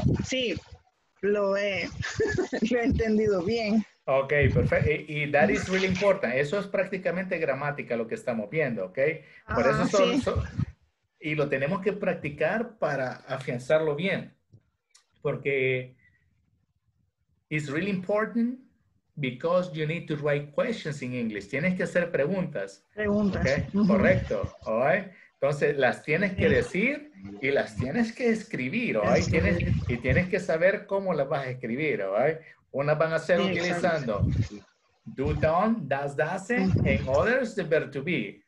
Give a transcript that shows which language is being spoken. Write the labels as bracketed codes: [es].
[es] Sí, lo he entendido bien. [en] Ok, perfecto. Y that is really important. [es] Eso es prácticamente gramática lo que estamos viendo, ¿ok? Por eso y lo tenemos que practicar para afianzarlo bien. [en] Porque it's really important. Because you need to write questions in English. [es] Tienes que hacer preguntas. Preguntas. Okay? [en] Correcto. All right? [es] Entonces, las tienes que decir y las tienes que escribir. [en] All right? [es] Tienes que saber cómo las vas a escribir. [en] All right? [es] Unas van a ser utilizando [en] do, don't, does, doesn't, and others, the verb to be.